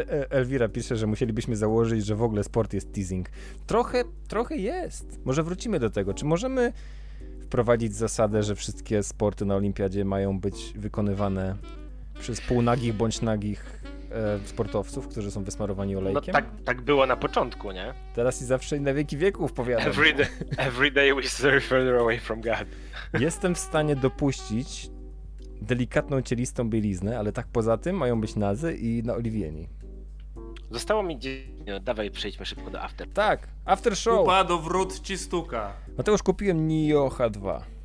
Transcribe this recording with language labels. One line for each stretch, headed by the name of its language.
Polish: Elwira pisze, że musielibyśmy założyć, że w ogóle sport jest teasing. Trochę jest. Może wrócimy do tego. Czy możemy wprowadzić zasadę, że wszystkie sporty na olimpiadzie mają być wykonywane przez półnagich bądź nagich sportowców, którzy są wysmarowani olejkiem? No tak było na początku, nie? Teraz i zawsze i na wieki wieków, powiadam.
English: Every day we stray further away from God.
Polish: Jestem w stanie dopuścić delikatną, cielistą bieliznę, ale tak poza tym mają być nazy i naoliwieni. Zostało mi gdzieś... No, dawaj, przejdźmy szybko do after. Tak, after show. Kupa do wrót ci stuka. Mateusz, kupiłem Nioha 2.